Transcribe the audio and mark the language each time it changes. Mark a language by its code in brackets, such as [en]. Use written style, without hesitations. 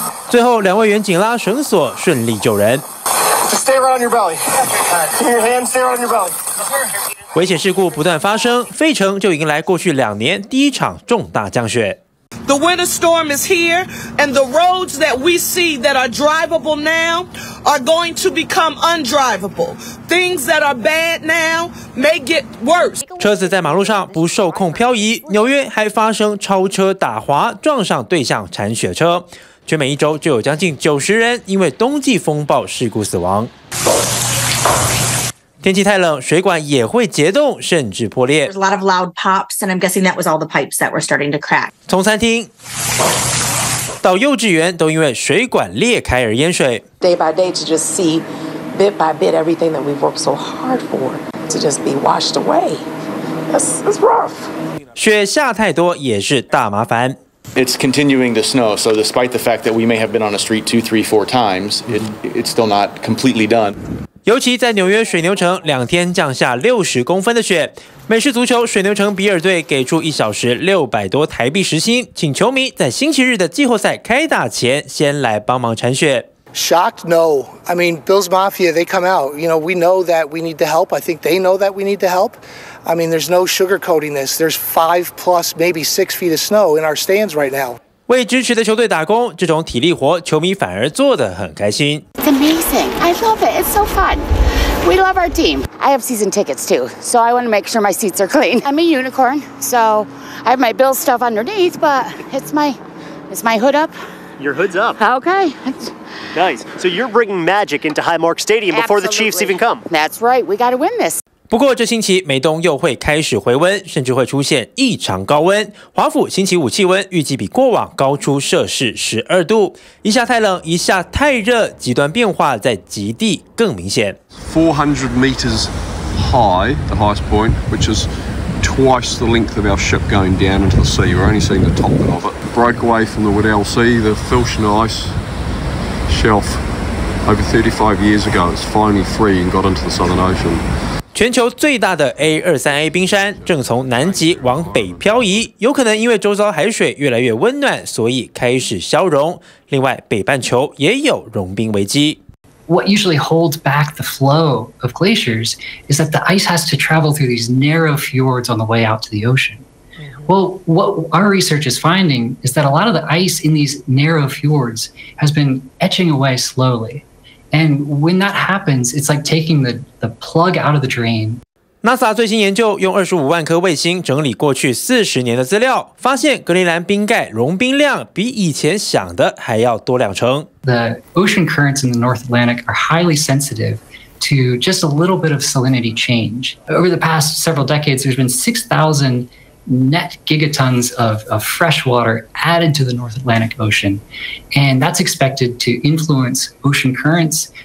[zh] 最后，两位远景拉绳索，顺利救人。 [en] Just stay around your belly. Keep your hands, stay around your belly. [zh] 危险事故不断发生，费城就迎来过去2年第一场重大降雪。 [en] The winter storm is here, and the roads that we see that are drivable now are going to become undrivable. Things that are bad now may get worse. [zh] 车子在马路上不受控漂移，纽约还发生超车打滑，撞上对向铲雪车。全美一周就有将近90人因为冬季风暴事故死亡。天气太冷，水管也会结冻，甚至破裂。 [en] There's a lot of loud pops, and I'm guessing that was all the pipes that were starting to crack. [zh] 从餐厅到幼稚园，都因为水管裂开而淹水。 [en] Day by day, to just see bit by bit everything that we've worked so hard for to just be washed away. That's rough. [zh] 雪下太多也是大麻烦。 [en] It's continuing to snow, so despite the fact that we may have been on a street 2, 3, 4 times, it's still not completely done. [zh] 尤其在纽约水牛城，2天降下60公分的雪。美式足球水牛城比尔队给出1小时600多台币时薪，请球迷在星期日的季后赛开打前先来帮忙铲雪。 [en] Shocked? No. I mean, Bills Mafia, they come out. You know, we know that we need the help. I think they know that we need the help. I mean, there's no sugarcoating this. There's 5+, maybe 6 feet of snow in our stands right now. [zh] 为支持的球队打工，这种体力活，球迷反而做得很开心。 [en] I love it. It's so fun. We love our team. I have season tickets too, so I want to make sure my seats are clean. I'm a unicorn, so I have my Bills stuff underneath, but it's my hood up. Your hood's up. Okay. Nice. So you're bringing magic into Highmark Stadium before、 Absolutely. The Chiefs even come. That's right. We got to win this. [zh] 不过这星期美东又会开始回温，甚至会出现异常高温。华府星期五气温预计比过往高出摄氏12度，一下太冷，一下太热，极端变化在极地更明显。 [en] 400 meters high, the highest point, which is twice the length of our ship going down into the sea. We're only seeing the top bit of it. Broke away from the Weddell Sea, the Filchian Ice Shelf over 35 years ago. It's finally free and got into the Southern Ocean. [zh] 全球最大的 A23A 冰山正从南极往北漂移，有可能因为周遭海水越来越温暖，所以开始消融。另外，北半球也有融冰危机。 [en] What usually holds back the flow of glaciers is that the ice has to travel through these narrow fjords on the way out to the ocean. Well, what our research is finding is that a lot of the ice in these narrow fjords has been etching away slowly. And when that happens, it's like taking the plug out of the drain. [zh] NASA 最新研究用25万颗卫星整理过去40年的资料，发现格陵兰冰盖融冰量比以前想的还要多两成。 [en] The ocean currents in the North Atlantic are highly sensitive to just a little bit of salinity change. Over the past several decades, there's been 6,000 net gigatons of fresh water added to the North Atlantic Ocean, and that's expected to influence ocean currents.